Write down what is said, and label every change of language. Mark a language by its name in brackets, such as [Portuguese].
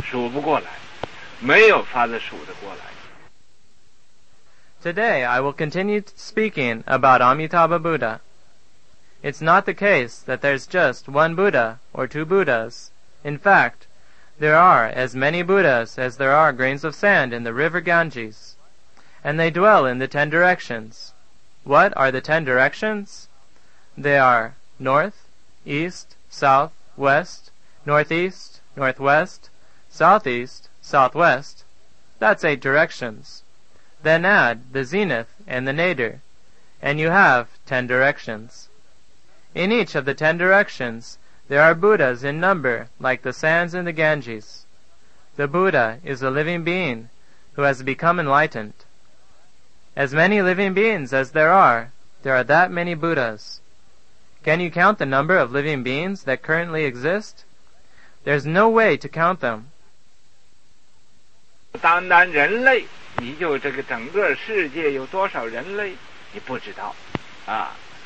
[Chinese] 这合起来，这叫十方。这十方每一方啊，都有恒河沙数那么多的佛。啊，这个佛呀，就是众生成的佛，有多少众生，就有多少佛。那么众生，你数得过来，数不过来，没有法子数得过来。 [English] Today, I will continue speaking about Amitabha Buddha. It's not the case that there's just one Buddha or two Buddhas. In fact, there are as many Buddhas as there are grains of sand in the river Ganges. And they dwell in the 10 directions. What are the 10 directions? They are north, east, south, west, northeast, northwest, southeast, southwest. That's 8 directions. Then add the zenith and the nadir, and you have 10 directions. In each of the 10 directions, there are Buddhas in number, like the sands in the Ganges. The Buddha is a living being who has become enlightened. As many living beings as there are that many Buddhas. Can you count the number of living beings that currently exist? There's no way to count them. [Chinese] 单单人类，你就这个整个世界有多少人类，你不知道，啊。